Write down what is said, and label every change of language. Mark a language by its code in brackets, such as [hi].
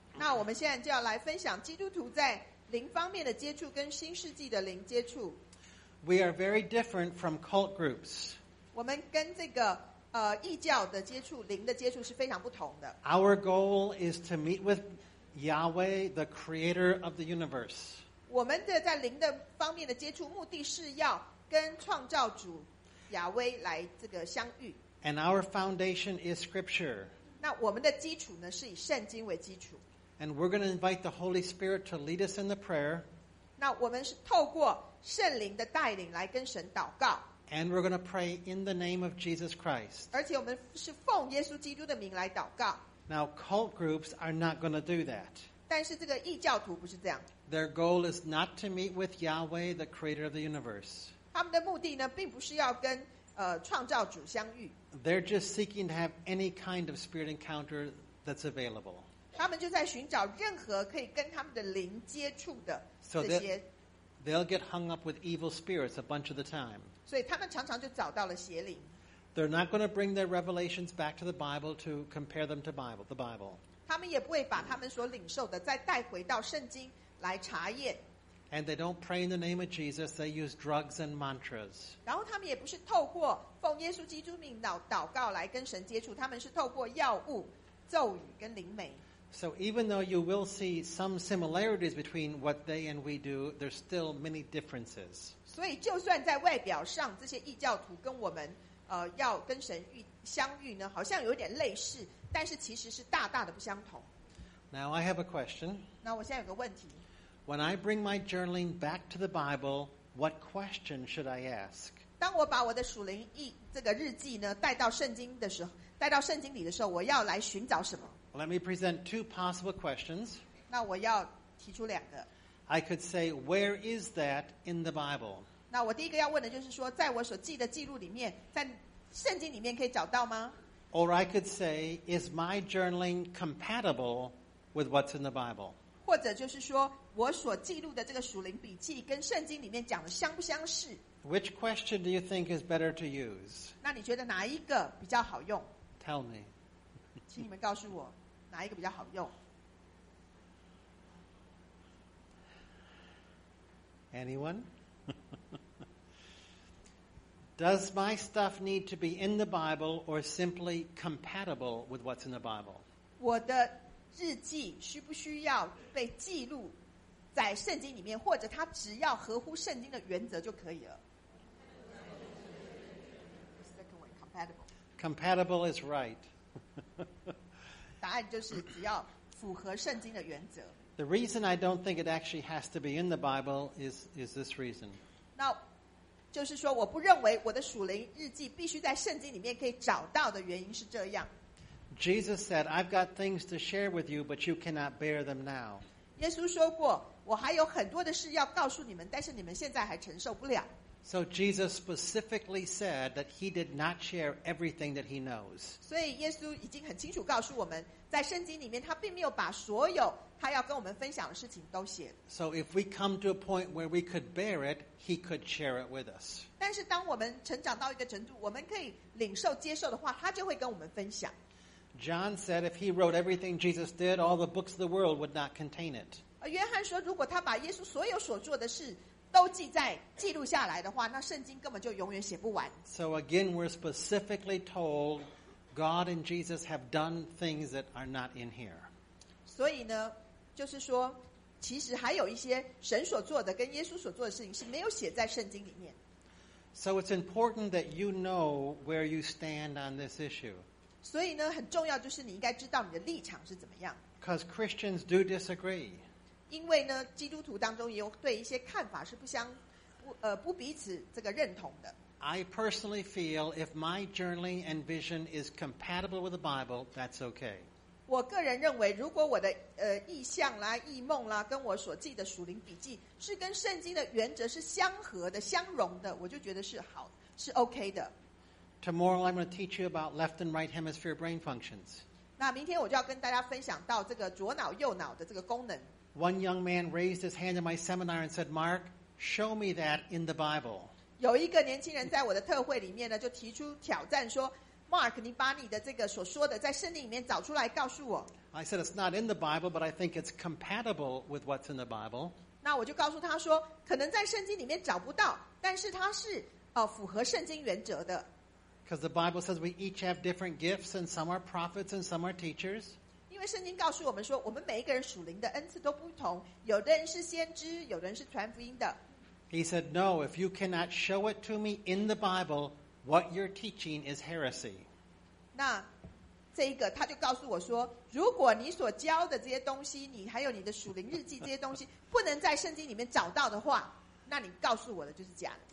[zh] 那我们现在就要来分享基督徒在灵方面的接触跟新世纪的灵接触。 [en] We are very different from cult groups. [zh] 我们跟这个异教的接触、灵的接触是非常不同的。 [en] Our goal is to meet with Yahweh, the Creator of the universe. [zh] 我们的在灵的方面的接触，目的是要跟创造主亚威来这个相遇。 [en] And our foundation is Scripture. [zh] 那我们的基础呢，是以圣经为基础。 [en] And we're going to invite the Holy Spirit to lead us in the prayer. [zh] 那我们是透过圣灵的带领来跟神祷告。 [en] And we're going to pray in the name of Jesus Christ. [zh] 而且我们是奉耶稣基督的名来祷告。 [en] Now, cult groups are not going to do that. [zh] 但是这个异教徒不是这样。 [en] Their goal is not to meet with Yahweh, the creator of the universe. [zh] 他们的目的呢，并不是要跟创造主相遇。 [en] They're just seeking to have any kind of spirit encounter that's available. [zh] 他们就在寻找任何可以跟他们的灵接触的这些。 [en] They'll get hung up with evil spirits a bunch of the time. [zh] 所以他们常常就找到了邪灵。 [en] They're not going to bring their revelations back to the Bible to compare them to the Bible. [zh] 他们也不会把他们所领受的再带回到圣经来查验。 [en] And they don't pray in the name of Jesus. They use drugs and mantras. [zh] 然后他们也不是透过奉耶稣基督名祷告来跟神接触，他们是透过药物、咒语跟灵媒。 [en] So even though you will see some similarities between what they and we do, there's still many differences. [zh] 所以就算在外表上这些异教徒跟我们要跟神相遇呢，好像有点类似，但是其实是大大的不相同。 [en] Now I have a question. [zh] 那我现在有个问题。 [en] When I bring my journaling back to the Bible, what question should I ask? [zh] 当我把我的属灵异这个日记呢带到圣经的时候，带到圣经里的时候，我要来寻找什么？ [en] Let me present two possible questions. [zh] 那我要提出两个。 [en] I could say, where is that in the Bible? [zh] 那我第一个要问的就是说，在我所记的记录里面，在圣经里面可以找到吗？ [en] Or I could say, is my journaling compatible with what's in the Bible? [zh] 或者就是说，我所记录的这个属灵笔记跟圣经里面讲的相不相似？ [en] Which question do you think is better to use? [zh] 那你觉得哪一个比较好用？ [en] Tell me. [zh] 请你们告诉我。哪一个比较好用？ [en] Anyone? Does my stuff need to be in the Bible or simply compatible with what's in the Bible? [zh] 我的日记需不需要被记录在圣经里面，或者它只要合乎圣经的原则就可以了？ [en] Second one, compatible. Compatible is right. [zh] 答案就是只要符合圣经的原则。 [en] The reason I don't think it actually has to be in the Bible is this reason. [zh] 那就是说，我不认为我的属灵日记必须在圣经里面可以找到的原因是这样。 [en] Jesus said, "I've got things to share with you, but you cannot bear them now." [zh] 耶稣说过，我还有很多的事要告诉你们，但是你们现在还承受不了。 [en] So Jesus specifically said that he did not share everything that he knows. [zh] 所以耶稣已经很清楚告诉我们，在圣经里面他并没有把所有他要跟我们分享的事情都写。 [en] So if we come to a point where we could bear it, he could share it with us. [zh] 但是当我们成长到一个程度，我们可以领受接受的话，他就会跟我们分享。 [en] John said if he wrote everything Jesus did, all the books of the world would not contain it. [zh] 约翰说如果他把耶稣所有所做的事都记在记录下来的话，那圣经根本就永远写不完。 [en] So again, we're specifically told God and Jesus have done things that are not in here. [zh] 所以呢，就是说，其实还有一些神所做的跟耶稣所做的事情是没有写在圣经里面。 [en] So it's important that you know where you stand on this issue. [zh] 所以呢，很重要就是你应该知道你的立场是怎么样。 [en] Because Christians do disagree. [zh] 因为呢，基督徒当中也有对一些看法是不相不不彼此这个认同的。 [en] I personally feel if my journaling and vision is compatible with the Bible, that's okay. [zh] 我个人认为，如果我的意象啦、异梦啦，跟我所记的属灵笔记是跟圣经的原则是相合的、相融的，我就觉得是好，是 OK 的。 [en] Tomorrow I'm going to teach you about left and right hemisphere brain functions. [zh] 那明天我就要跟大家分享到这个左脑右脑的这个功能。 [en] One young man raised his hand in my seminar and said, Mark, show me that in the Bible. [zh] 有一个年轻人在我的特会里面呢就提出挑战说 Mark, 你把你的这个所说的在圣经里面找出来告诉我。 [en] I said, it's not in the Bible, but I think it's compatible with what's in the Bible. [zh] 那我就告诉他说可能在圣经里面找不到但是它是符合圣经原则的。 [en] Because the Bible says we each have different gifts and some are prophets and some are teachers. [zh] 因为圣经告诉我们说，我们每一个人属灵的恩赐都不同，有的人是先知，有的人是传福音的。 [en] He said, "No, if you cannot show it to me in the Bible, what you're teaching is heresy." [zh] 那这一个他就告诉我说，如果你所教的这些东西，你还有你的属灵日记这些东西，不能在圣经里面找到的话，那你告诉我的就是假的。